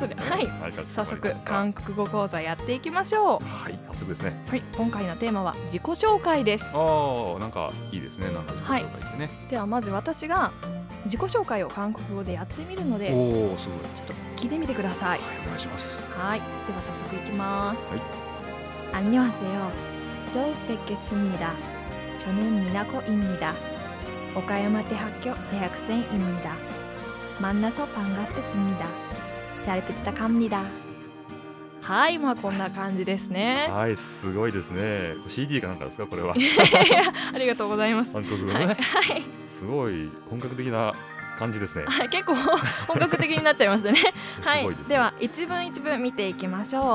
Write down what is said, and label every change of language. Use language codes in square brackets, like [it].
[ja] ということで、はい、早速韓国語講座やっていきましょう。はい、早速ですね。はい、今回のテーマは自己紹介です。あー、なんかいいですね、なんか自己紹介ってね、はい、ではまず私が自己紹介を韓国語でやってみるので、おー、すごい、ちょっと聞いてみてください。はい、お願いします。はい、では早速いきます。はい、 [ko] 안녕하세요저뵙겠습니다저는미나코입니다岡山대학교대학생입니다만나서반갑습니다잘부탁합니다。 [ja] はい、まあこんな感じですね。はい、すごいですね。 CD かなんかですかこれは。ありがとうございます。韓国語ね、はいはい、すごい本格的な感じですね。結構本格的になっちゃいましたね。はい、すごいですね。では一文一文見ていきましょう。